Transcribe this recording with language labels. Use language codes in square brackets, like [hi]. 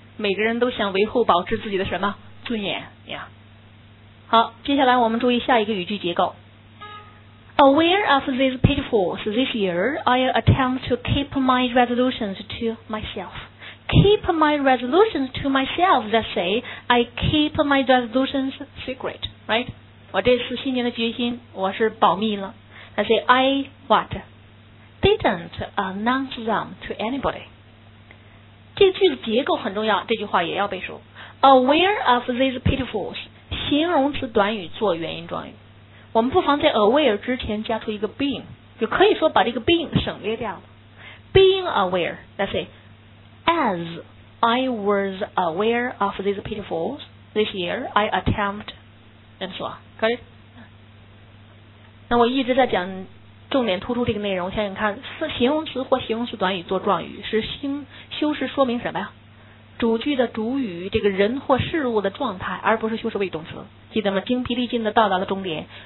[zh] 每个人都想维护保持自己的什么尊严 ？Yeah. 好，接下来我们注意下一个语句结构。 [en] Aware of these pitfalls this year, I attempt to keep my resolutions to myself. Keep my resolutions to myself, let's say, I keep my resolutions secret, right? [zh] 我这次新年的决心我是保密了。 [en] Let's say, I, what? Didn't announce them to anybody. [zh] 这句的结构很重要，这句话也要背熟。 [en] Aware of these pitfalls, [zh] 形容词短语做原因状语。我们不妨在 aware 之前加出一个 being, 就可以说把这个 being 省略掉了。 [en] Being aware, let's say,As I was aware of these pitfalls this year, I attempt, and so on. Got it? [zh] 那我一直在讲重点突出这个内容，想想看，形容词或形容词短语做状语，是修饰说明什么呀？主句的主语，这个人或事物的状态，而不是修饰谓动词。记得吗？精疲力尽的到达了终点。